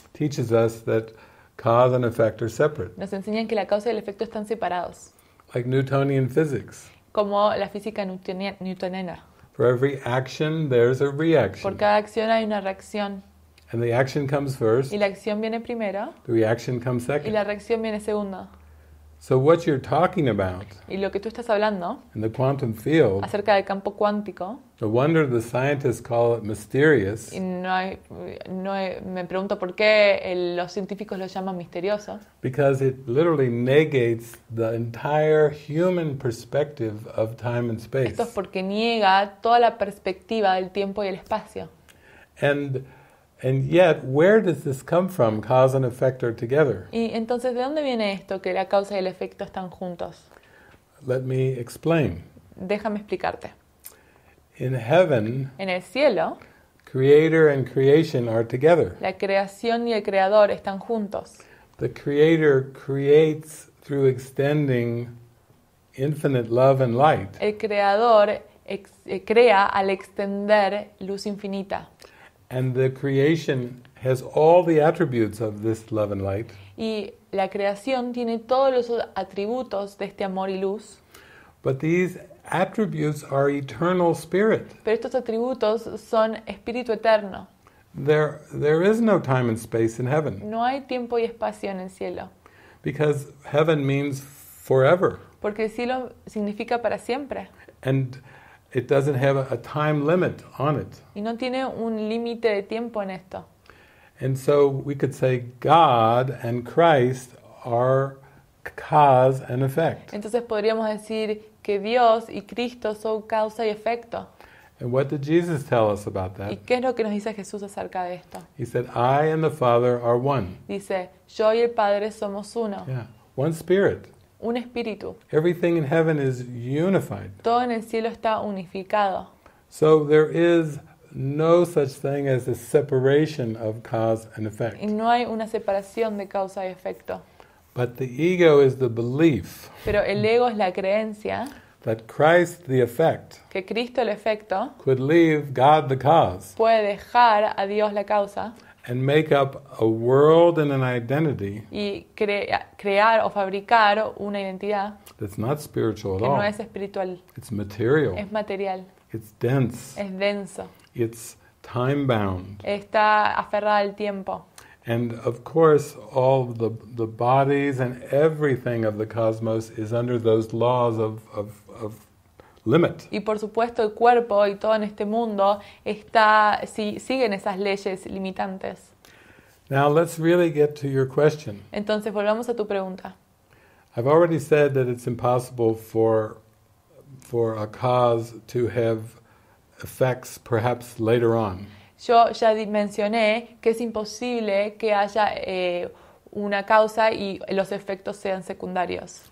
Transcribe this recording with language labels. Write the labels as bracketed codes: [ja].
[en] Teaches us that cause and effect are separate. [es] Nos enseñan que la causa y el efecto están separados. [en] Like Newtonian physics. [es] Como la física newtoniana. [en] For every action, there's a reaction. [es] Por cada acción hay una reacción. [en] And the action comes first. [es] Y la acción viene primero. [en] The reaction comes second. [es] Y la reacción viene segundo. [en] So what you're talking about? [es] Y lo que tú estás hablando. [en] In the quantum field. [es] Acerca del campo cuántico. [en] No wonder the scientists call it mysterious. [es] Y no hay, me pregunto por qué los científicos lo llaman misterioso. [en] Because it literally negates the entire human perspective of time and space. [es] Esto es porque niega toda la perspectiva del tiempo y el espacio. [en] And yet, where does this come from? Cause and effect are together. [es] Y entonces, ¿de dónde viene esto que la causa y el efecto están juntos? [en] Let me explain. [es] Déjame explicarte. [en] In heaven, [es] en el cielo, [en] creator and creation are together. [es] La creación y el creador están juntos. [en] The creator creates through extending infinite love and light. [es] El creador crea al extender luz infinita. [en] And the creation has all the attributes of this love and light. [es] Y la creación tiene todos los atributos de este amor y luz. [en] But these attributes are eternal spirit. [es] Pero estos atributos son espíritu eterno. [en] There is no time and space in heaven. [es] No hay tiempo y espacio en el cielo. [en] Because heaven means forever. [es] Porque el cielo significa para siempre. [en] And it doesn't have a time limit on it. [es] Y no tiene un límite de tiempo en esto. [en] And so we could say God and Christ are cause and effect. [es] Entonces podríamos decir que Dios y Cristo son causa y efecto. [en] And what did Jesus tell us about that? [es] ¿Y qué es lo que nos dice Jesús acerca de esto? [en] He said, I and the Father are one. [es] Dice, yo y el Padre somos uno. [en] Yeah, one spirit. [es] un espíritu. [en] Everything in heaven is unified. [es] Todo en el cielo está unificado. [en] So there is no such thing as a separation of cause and effect. [es] Y no hay una separación de causa y efecto. [en] But the ego is the belief. [es] Pero el ego es la creencia. [en] That Christ the effect. [es] Que Cristo el efecto. [en] Could leave God the cause. [es] Puede dejar a Dios la causa. [en] And make up a world and an identity. [es] Y crear o fabricar una identidad. [en] That's not spiritual at [es] que [en] all. [es] Que no es espiritual. [en] It's material. [es] Es material. [en] It's dense. [es] Es denso. [en] It's time bound. [es] Está aferrada al tiempo. [en] And of course, all the bodies and everything of the cosmos is under those laws of limit. [es] Y por supuesto, el cuerpo y todo en este mundo está siguen esas leyes limitantes. [en] Now let's really get to your question. [es] Entonces volvamos a tu pregunta. [en] I've already said that it's impossible for a cause to have effects perhaps later on. [es] Yo ya mencioné que es imposible que haya una causa y los efectos sean secundarios.